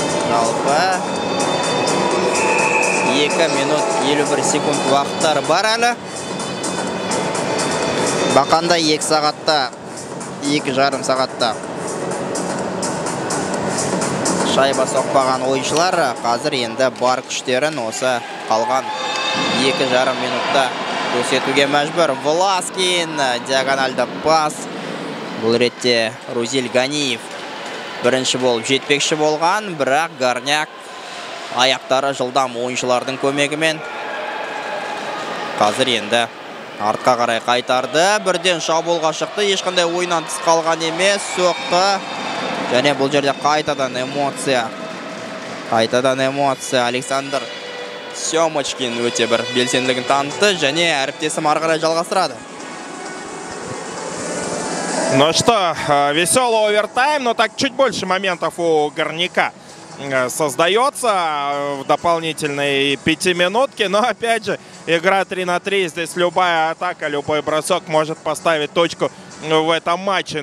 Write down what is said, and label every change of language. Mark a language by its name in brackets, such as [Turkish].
[Kazakh] Жалпы 2 минут 51 секунд уақыттар бар әлі. Бақандай 2 сағатта, 2 жарым сағатта шайба соқпаған ойыншылар қазір енді бар күштерін осы қалған екі жарым минутта көрсетуге мәжбір. Власкин диагональда пас. Бұл ретте Рузиль Ганиев бірінші болып жетпекші болған, бірақ Горняк аяқтары жылдам ойыншылардың көмегімен қазір енді артқа қарай қайтарды. Бірден шабуылға шықты, ешқандай ойыннан тыс қалған емес. Соққы, және бұл жерде қайтадан эмоция. Александр Семочкин өте бір белсенділігін танытты, және әріптесім ары қарай жалғастырады. [Russian] Ну что, веселый овертайм, но так чуть больше моментов у Горняка создается в дополнительной пятиминутке. Но опять же, игра 3 на 3, здесь любая атака, любой бросок может поставить точку в этом матче.